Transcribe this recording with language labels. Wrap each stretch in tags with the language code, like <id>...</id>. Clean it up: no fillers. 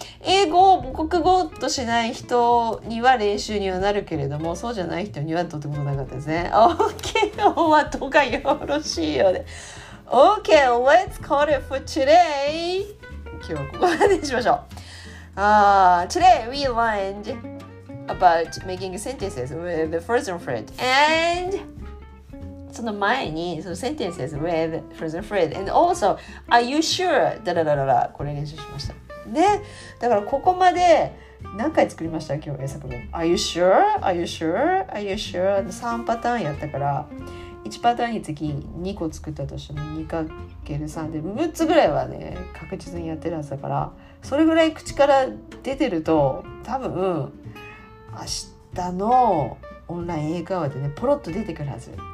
<ja>英語を母国語としない人には練習にはなるけれども、そうじゃない人にはとてもなかったですね。 OK はとかよろしいよね。</ja> <en>OK let's call it for today。</en> <ja>今日はここまでにしましょう。</ja> <en>Today we learned about making sentences with the frozen fruit and</en> <ja>その前にその</ja> <en>sentences with frozen fruit and also are you sure</en> <ja>だらだらだ、これ練習しましたね。だからここまで何回作りました、今日作文。</ja> <en>Are you sure? Are you sure? Are you sure?</en> <ja>3パターンやったから、1パターンにつき2個作ったとしても 2×3 で6つぐらいはね確実にやってるはずだから、それぐらい口から出てると多分明日のオンライン英会話でねポロッと出てくるはず。</ja>